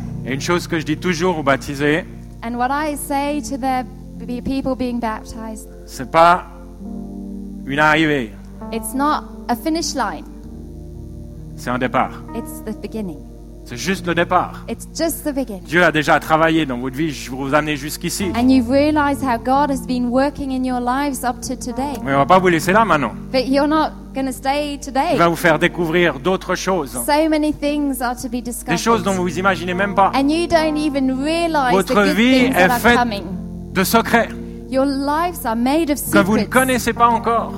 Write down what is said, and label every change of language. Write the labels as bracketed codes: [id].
[fr] Et une chose que je dis toujours aux baptisés. [en] And what I say to the people being baptized. [fr] C'est pas une arrivée. [en] It's not a finish line. [fr] C'est un départ. [en] It's the beginning. [fr] C'est juste le départ. [en] It's just the beginning. [fr] Dieu a déjà travaillé dans votre vie. Je vous amène jusqu'ici. [en] And you realize how God has been working in your lives up to today. [fr] Mais on va pas vous laisser là maintenant. [en] But you're not going to stay today. [fr] Il va vous faire découvrir d'autres choses. [en] So many things are to be discovered. [fr] Des choses dont vous imaginez même pas. [en] And you don't even realize [fr] votre vie est faite de secrets. [en] Your lives are made of secrets, [fr] que vous ne connaissez pas encore,